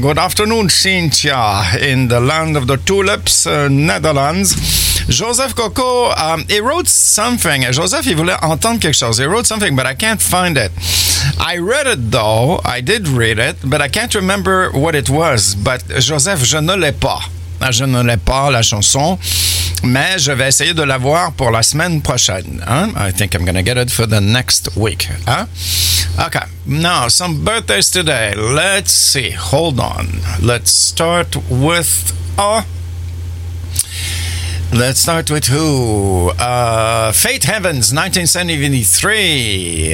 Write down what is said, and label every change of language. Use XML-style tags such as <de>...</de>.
<en>Good afternoon, Cynthia, in the land of the tulips, Netherlands. Joseph Coco, he wrote something. Joseph, he</en> <fr>voulait entendre quelque chose.</fr> <en>He wrote something, but I can't find it. I read it, though. I did read it, but I can't remember what it was.</en> <fr>But Joseph, je ne l'ai pas. Je ne l'ai pas, la chanson. Mais je vais essayer de l'avoir pour la semaine prochaine.</fr> <en>Hein? I think I'm going to get it for the next week. Hein? Okay. Now, some birthdays today. Let's see. Hold on. Let's start with... Let's start with who? Fate Heavens, 1973.</en>